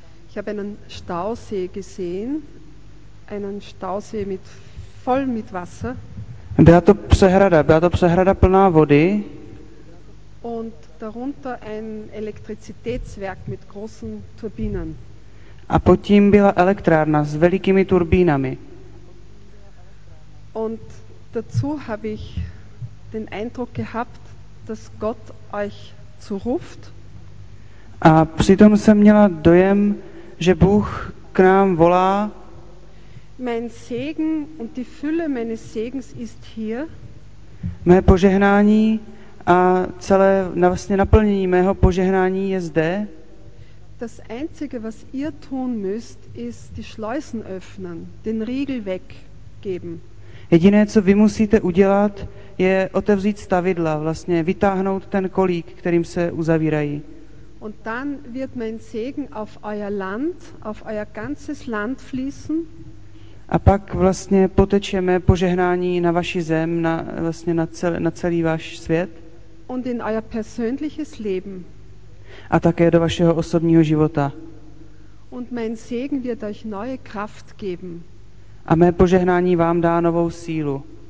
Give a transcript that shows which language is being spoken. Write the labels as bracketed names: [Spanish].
[German] Ich habe einen Stausee gesehen, einen Stausee voll mit Wasser. [Czech] Byla to přehrada plná vody. [German] Und darunter ein Elektrizitätswerk mit großen Turbinen. [Czech] A pod tím byla elektrárna s velikými turbínami. [German] Und dazu habe ich den Eindruck gehabt, dass Gott euch zuruft. [Czech] A přitom jsem měla dojem, že Bůh k nám volá. [German] Mein Segen und die Fülle meines Segens ist hier. [Czech] Mé požehnání a celé vlastně naplnění mého požehnání je zde. [German] Das einzige, was ihr tun müsst, ist die Schleusen öffnen, den Riegel weggeben. [Czech] Jediné, co vy musíte udělat, je otevřít stavidla, vlastně vytáhnout ten kolík, kterým se uzavírají. [German] Und dann wird mein Segen auf euer Land, auf euer ganzes Land fließen. [Czech] A pak vlastně poteče mé požehnání na vaši zem, na celý váš svět. [German] Und in euer persönliches Leben. [Czech] A také do vašeho osobního života. [German] Und mein Segen wird euch neue Kraft geben. [Czech] A mé požehnání vám dá novou sílu.